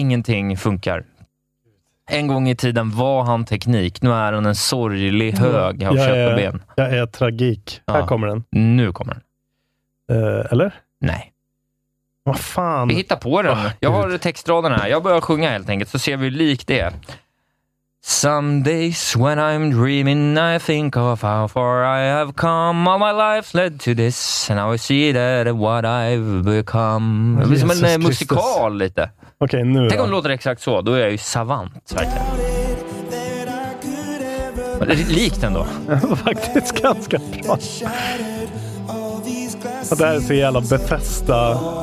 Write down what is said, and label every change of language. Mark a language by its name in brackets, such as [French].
[Swedish] Ingenting funkar. En gång i tiden var han teknik. Nu är han en sorglig hög av kött och ben. Jag är tragik. Ja. Här kommer den. Nu kommer den. Eller? Nej. Vad fan? Vi hittar på den. Jag har textraden här. Jag börjar sjunga helt enkelt så ser vi hur lik det är. [English] Some days when I'm dreaming I think of how far I have come. All my life led to this and now I see that what I've become. [Swedish] Det blir som en musikal lite. Okej, nu tänk om det låter exakt så, då är jag ju savant verkligen. Likt ändå. Faktiskt ganska bra. Och det här är så jävla Bethesda.